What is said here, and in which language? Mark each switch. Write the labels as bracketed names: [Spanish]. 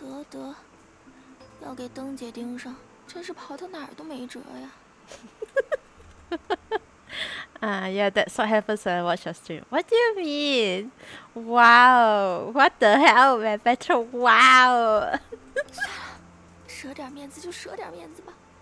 [Chinese] 得，要给灯姐盯上，真是跑到哪儿都没辙呀。 [English] yeah, that's what happens when I watch your stream. What do you mean? Wow, what the hell, man? Better wow. [Chinese] 算了，舍点面子就舍点面子吧。